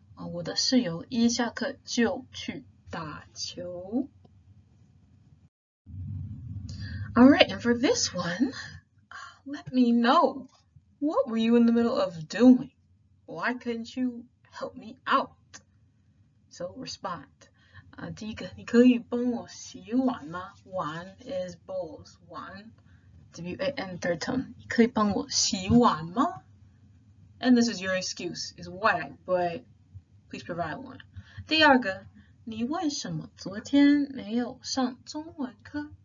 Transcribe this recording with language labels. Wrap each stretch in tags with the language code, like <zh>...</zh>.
<zh>我的室友一下课就去打球。</zh> <en>Alright, and for this one, let me know, what were you in the middle of doing? Why couldn't you help me out? So respond.</en> <zh>第一个,你可以帮我洗碗吗?</zh> <en>碗 is bowls, 碗, W-A-N third tone.</en> <zh>你可以帮我洗碗吗?</zh> <en>And this is your excuse, is why, but... Please provide one.</en> <zh>第二个，你为什么昨天没有上中文课？</zh>